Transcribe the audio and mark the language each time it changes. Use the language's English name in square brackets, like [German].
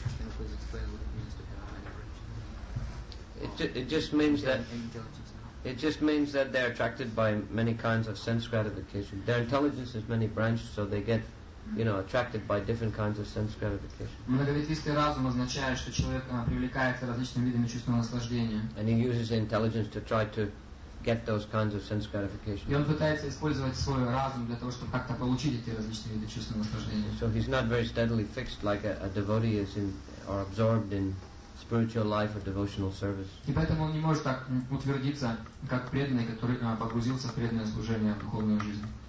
[English] Can you please explain what it means to have many branched mind? It just means that they're attracted by many kinds of sense gratification. Their intelligence is many branched, so they get, you know, attracted by different kinds of sense gratification. [Russian] Многовидистый разум означает, что человек привлекается различными видами чувственного наслаждения. [English] And he uses intelligence to try to get those kinds of sense gratification. [Russian] И он пытается использовать свой разум для того, чтобы как-то получить эти различные виды чувственного наслаждения. [English] So he's not very steadily fixed like a devotee is in or absorbed in spiritual life or devotional service. [Russian] И поэтому он не может так утвердиться, как преданный, который погрузился в преданное служение, в духовную жизнь.